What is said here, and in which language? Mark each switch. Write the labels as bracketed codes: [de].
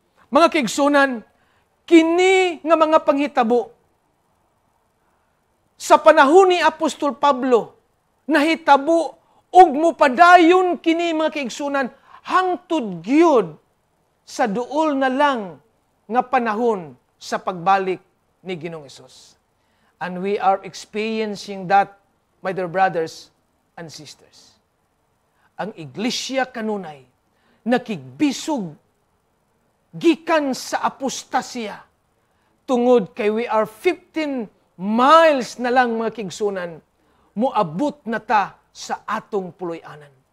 [ceb] Mga kaigsoonan, kini nga mga panghitabo sa panahon ni Apostol Pablo nahitabo ug mupadayon kini mga kaigsoonan hangtod gyud sa duol na lang nga panahon sa pagbalik ni Ginoong Hesus. [en] And we are experiencing that, my dear brothers and sisters. [ceb] Ang iglesia kanunay, nakigbisog, gikan sa apostasya, tungod kay [en] we are 15 miles [ceb] na lang mga kigsunan, muabot na ta sa atong puloy-anan.